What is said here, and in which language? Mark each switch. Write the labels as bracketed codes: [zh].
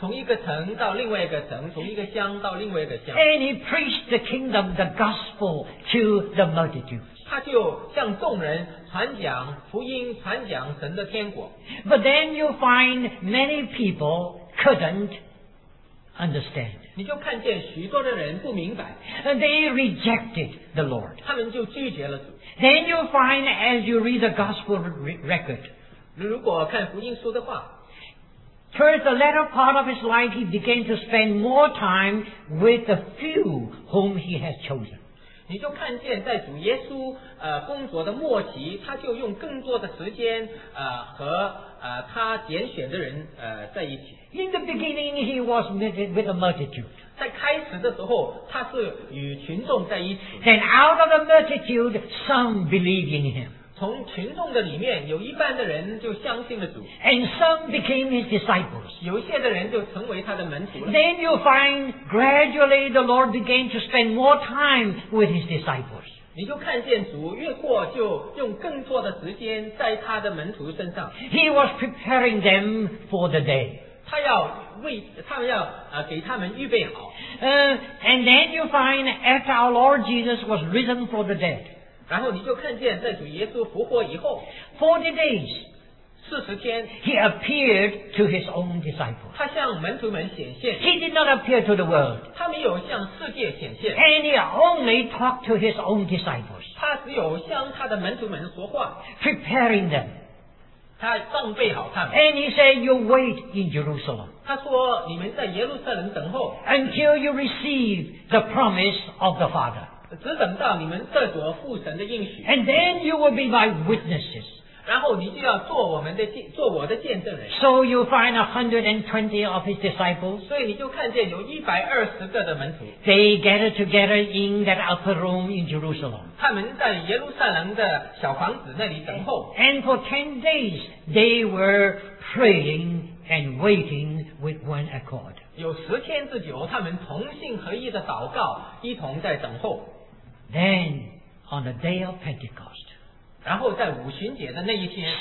[zh] 从一个城到另外一个城，从一个乡到另外一个乡。 [en] And he preached the kingdom, the gospel to the multitude. [zh] 他就向众人传讲福音，传讲神的天国。 [en] But then you find many people couldn't. Understand. [zh] 你就看见许多的人不明白。 [en] And they rejected the Lord. [zh] 他们就拒绝了主。 [en] Then you find as you read the gospel record. [zh] 如果看福音书的话。 [en] Towards the latter part of his life, he began to spend more time with the few whom he has chosen. [zh] 你就看见在主耶稣工作的末期，他就用更多的时间和他拣选的人在一起。 [en] In the beginning, he was with a multitude. [zh] 在开始的时候，他是与群众在一起。 [en] Then out of the multitude, some believed in him. [zh] 从群众的里面，有一半的人就相信了主。 [en] And some became his disciples. [zh] 有些的人就成为他的门徒了。 [en] Then you find gradually the Lord began to spend more time with his disciples. [zh] 你就看见主越过就用更多的时间在他的门徒身上。 [en] He was preparing them for the day. [zh] 他要为他们要给他们预备好。 [en] And then you find after our Lord Jesus was risen from the dead. [zh] 然后你就看见在主耶稣复活以后 [en] ,40 days, [zh] 四十天 [en] ,he appeared to his own disciples. [zh] 他向门徒们显现。 [en] He did not appear to the world. [zh] 他没有向世界显现。 [en] And he only talked to his own disciples. [zh] 他只有向他的门徒们说话。 [en] Preparing them. [zh] 他准备好他们。 [en] And he said, you wait in Jerusalem. [zh] 他说你们在耶路撒冷等候。 [en] Until you receive the promise of the Father. [zh] 只等到你们得着父神的应许。 [en] And then you will be my witnesses. [zh] 然后你就要做我们的做我的见证人。 [en] So you find 120 of his disciples. [zh] 所以你就看见有120个的门徒。 [en] They gathered together in that upper room in Jerusalem. [zh] 他们在耶路撒冷的小房子那里等候。 [en] And for 10 days, they were praying and waiting with one accord. [zh] 有十天之久，他们同心合意的祷告，一同在等候。 [en] Then on the day of Pentecost. [zh] 然后在五旬节的那一天